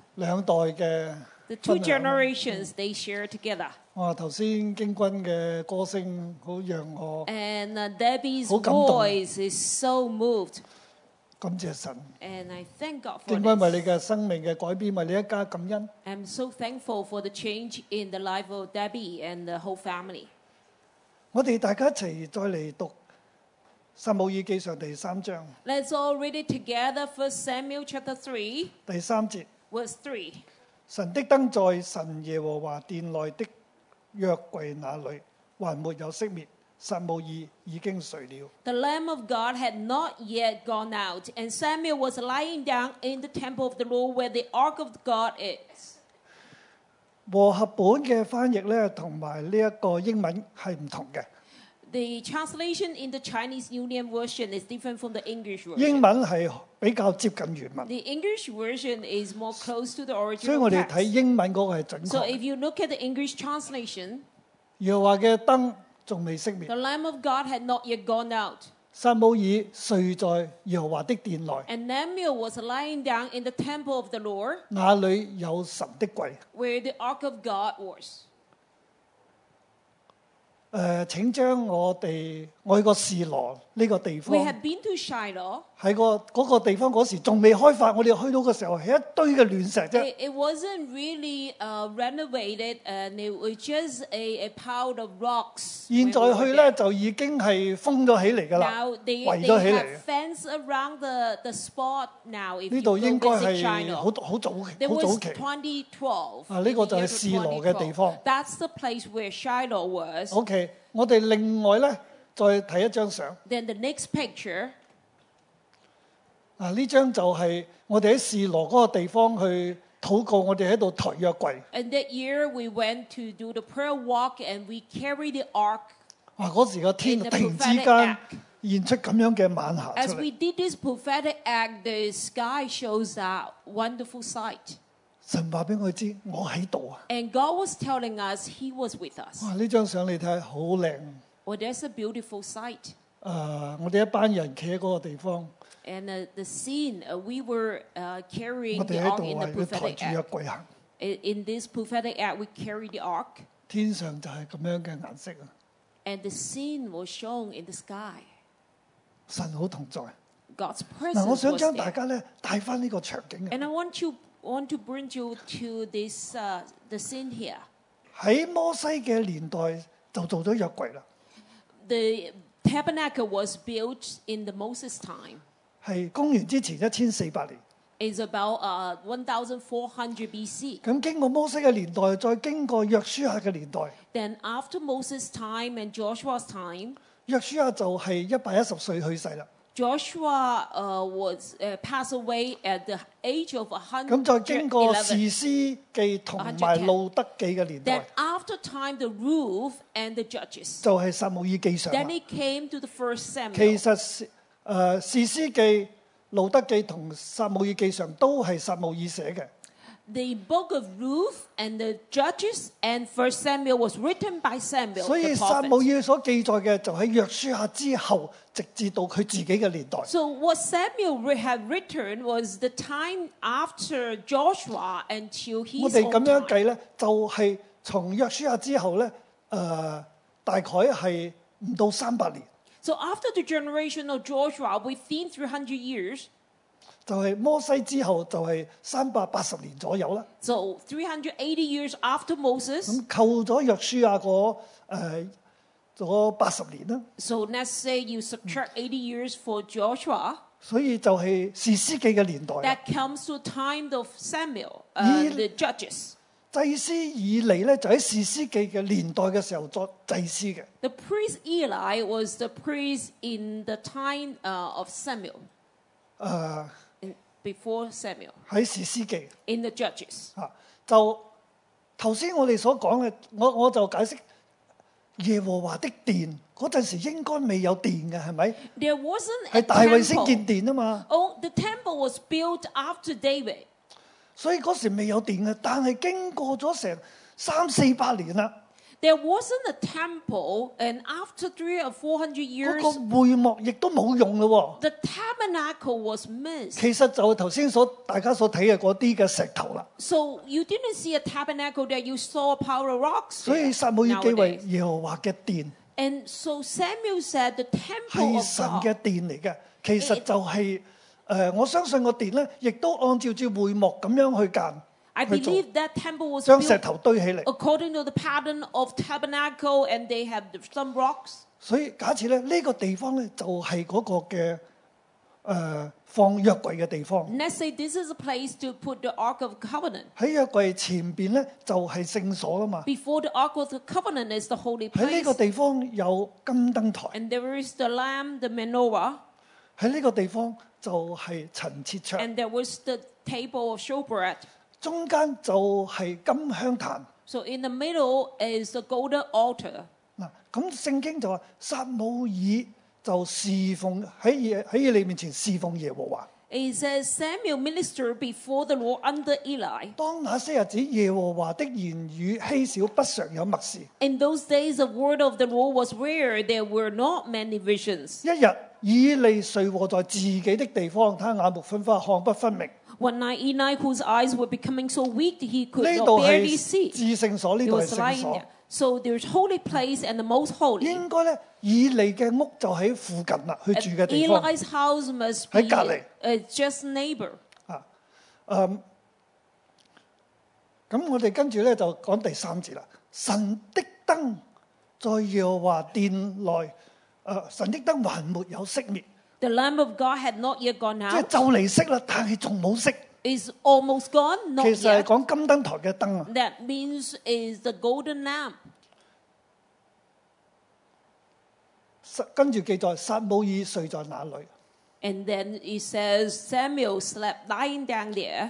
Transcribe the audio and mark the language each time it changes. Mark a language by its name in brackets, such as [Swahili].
[Cantonese] 两代嘅 [English] The two generations they share together. [Cantonese] 哇，头先京君嘅歌声好让我 [English] And Debbie's voice is so moved. [Cantonese] 感謝神 [English] and I thank God for [Cantonese] 敬拜為你的生命的改變為你一家感恩 [English] I'm so thankful for the change in the life of Debbie and the whole family [Cantonese] 我們大家一起再來讀撒母耳記上第三章 [English] Let's all read it together 1 Samuel chapter 3 [Cantonese] 第三節 [English] Verse 3 [Cantonese] 神的燈在神耶和華殿內的約櫃那裡還沒有熄滅撒母耳已经睡了。 [English] The Lamb of God had not yet gone out, and Samuel was lying down in the temple of the Lord where the Ark of God is. [Cantonese] 和合本的翻译同埋呢一个英文是不同的。 [English] The translation in the Chinese Union version is different from the English version. [Cantonese] 英文是比较接近原文。 [English] The English version is more close to the original. [Cantonese] 所以我哋睇英文嗰个系准确。 [English] So if you look at the English translation, [Cantonese] 耶和华嘅灯。仲未熄滅。 [English] The Lamb of God had not yet gone out. [Cantonese] 撒母耳睡在耶和華的殿內。 [English] And Samuel was lying down in the temple of the Lord. [Cantonese] 那裡有神的櫃。 [English] Where the Ark of God was. [Cantonese] 請將我去過示羅呢個地方。 [English] We had been to Shiloh. [Cantonese] 喺嗰個地方嗰時仲未開發，我哋去到嘅時候係一堆嘅亂石啫。 [English] It wasn't really renovated, and it was just a pile of rocks. [Cantonese] 現在去咧就已經係封咗起嚟㗎啦，圍咗起嚟。 [English] They have fence around the spot now. [Cantonese] 呢度應該係好早好早期。 [English] 2012. [Cantonese] 啊，呢個就係示羅嘅地方。 [English] That's the place where Shiloh was. [Cantonese] OK， 我哋另外咧。再睇一張相。 [English] Then the next picture， [Cantonese] 啊呢張就係我哋喺示羅嗰個地方去禱告，我哋喺度抬約櫃。 [English] And that year we went to do the prayer walk and we carry the ark。 [Cantonese] 哇！嗰時個天突然之間現出咁樣嘅晚霞出嚟。 [English] As we did this prophetic act, the sky shows a wonderful sight。 [Cantonese] 神話俾我知，我喺度啊。 [English] And God was telling us He was with us。 [Cantonese] 哇！呢張相你睇下，好靚。 [English] Well, that's a beautiful sight. [Cantonese] 我哋一班人企喺嗰個地方。 [English] And the scene, we were carrying the ark in the prophetic ark. In this prophetic ark, we carried the ark. [Cantonese] 天上就係咁樣嘅顏色啊。 [English] And the scene was shown in the sky. [Cantonese] 神好同在。 [English] God's presence. [Cantonese] 我想將大家咧帶翻呢個場景。 [English] And I want to bring you to this the scene here. [Cantonese] 喺摩西嘅年代就做咗約櫃啦。 [English] The tabernacle was built in the Moses time. [Cantonese] 是公元之前1400年。 [English] It's about 1400 BC. [Cantonese] 咁经过摩西嘅年代，再经过约书亚嘅年代。 [English] Then after Moses time and Joshua's time. [Cantonese] 约书亚就系110岁去世啦。 [English] Joshua was passed away at the age of 111. [Cantonese] 咁再经过士师记同埋路德记嘅年代。 [English] Then after time the Ruth and the Judges. [Cantonese] 就系撒母耳记上。 [English] Then it came to the first Samuel. [Cantonese] 其实士师记、路德记同撒母耳记上都系撒母耳写嘅。 [English] The book of Ruth and the Judges and 1 Samuel was written by Samuel. [Cantonese] 所以撒母耳所记载嘅就喺约书亚之后，直至到佢自己嘅年代。 [English] So what Samuel had written was the time after Joshua until his. [Cantonese] 我哋咁样计咧，就系从约书亚之后咧，大概系唔到300年。 [English] So after the generation of Joshua, within 300 years. [Cantonese] 就係摩西之後，就係380年左右啦。 [English] So 380 years after Moses， [Cantonese] 咁扣咗約書亞嗰咗80年啦。 [English] So let's say you subtract 80 years for Joshua， [Cantonese] 所以就係士師記嘅年代。 [English] That comes to time of Samuel the Judges。 [Cantonese] 祭司以利咧就喺士師記嘅年代嘅時候作祭司嘅。 [English] The priest Eli was the priest in the time of Samuel。 Before Samuel [Cantonese] 喺士师记 [English] in the Judges [Cantonese] 啊，就头先我哋所讲嘅，我就解释耶和华的殿嗰阵时应该未有殿嘅，系咪 [English] ？There wasn't [Cantonese] 系大卫先建殿啊嘛。 [English] Oh, the temple was built after David。 [Cantonese] 所以嗰时未有殿嘅，但系经过咗成三四百年啦。 [English] There wasn't a temple, and after 300 or 400 years, [Cantonese] 嗰個會幕亦都冇用咯喎。 [English] The tabernacle was missed. [Cantonese] 其實就頭先所大家所睇嘅嗰啲嘅石頭啦。 [English] So you didn't see a tabernacle there. You saw a pile of rocks. [Cantonese] 所以撒母耳記為耶和華嘅殿。 [English] And so Samuel said the temple of God [Cantonese] 係神嘅殿嚟嘅，其實就係、是、我相信個殿咧，亦都按照住會幕咁樣去間。 [English] I believe that temple was built according to the pattern of tabernacle, and they have some rocks. [Cantonese] 所以假設咧，呢個地方咧就係嗰個嘅放約櫃嘅地方。 [English] Let's say this is a place to put the Ark of Covenant. [Cantonese] 喺約櫃前邊咧就係聖所啊嘛。 [English] Before the Ark of the Covenant is the holy place. [Cantonese] 喺呢個地方有金燈台。 [English] And there is the lamp, the menorah. [Cantonese] 喺呢個地方就係陳設桌。 [English] And there was the table of showbread. [Cantonese] 中間就係金香壇。 [English] So in the middle is the golden altar. [Cantonese] 嗱，咁聖經就話撒母耳就侍奉喺耶利面前侍奉耶和華。 [English] It says Samuel ministered before the Lord under Eli. [Cantonese] 當那些日子，耶和華的言語稀少，不常有默示。 [English] In those days, the word of the Lord was rare. There were not many visions. [Cantonese] 一日，以利睡卧在自己的地方，他眼目昏花，看不分明。 [English] One night, Eli, whose eyes were becoming so weak that he could not barely see, [Cantonese] 至聖所呢度係聖所。 [English] So there's holy place and the most holy. [Cantonese] 應該咧，以利嘅屋就喺附近啦，佢住嘅地方。 [English] Eli's house must be [Cantonese] 喺隔離。 [English] Just neighbor. [Cantonese] 咁我哋跟住咧就講第三節啦。神的燈在耶和華殿內，神的燈還沒有熄滅。 [English] The lamp of God had not yet gone out. [Cantonese] 即係就嚟熄啦，但係仲冇熄。 [English] Is almost gone, not yet. [Cantonese] 其實係講金燈台嘅燈啊。 [English] That means is the golden lamp. [Cantonese] 跟住記載撒母耳睡在哪裏。 [English] And then it says Samuel slept lying down there.